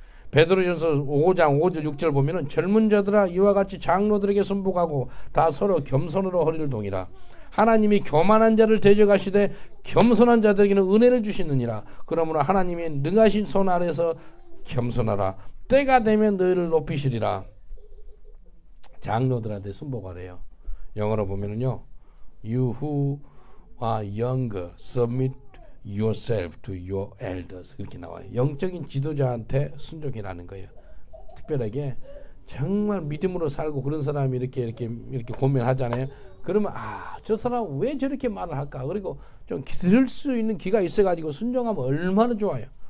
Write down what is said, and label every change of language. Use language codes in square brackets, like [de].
[ko] 베드로전서 5장 5절 6절 보면은 젊은 자들아 이와 같이 장로들에게 순복하고 다 서로 겸손으로 허리를 동이라. 하나님이 교만한 자를 대적하시되 겸손한 자들에게는 은혜를 주시느니라. 그러므로 하나님의 능하신 손 아래서 겸손하라. 때가 되면 너희를 높이시리라. 장로들한테 순복하래요. 영어로 보면은요. [en] You who are younger, submit yourself to your elders. [ko] 그렇게 나와요. 영적인 지도자한테 순종이라는 거예요. 특별하게 정말 믿음으로 살고 그런 사람이 이렇게 고민하잖아요. 그러면 아, 저 사람 왜 저렇게 말을 할까? 그리고 좀 들을 수 있는 귀가 있어가지고 순종하면 얼마나 좋아요.